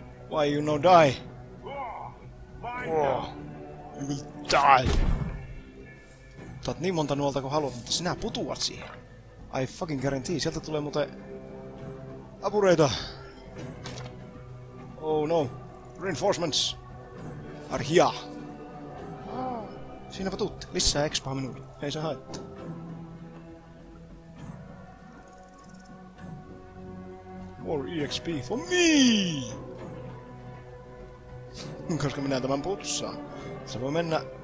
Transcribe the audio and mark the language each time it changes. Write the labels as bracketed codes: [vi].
[en] Why you no die? You will die! [fi] Otat niin monta nuolta kuin haluat, mutta sinä putuat siihen. [en] I fucking guarantee, [fi] sieltä tulee muuten apureita. [en] Oh no, reinforcements are here. [fi] Siinäpä tuutte, lisää expaa minulle. Ei se haittaa. [en] More EXP for me! [fi] Koska minä tämän putsaan. Se voi mennä...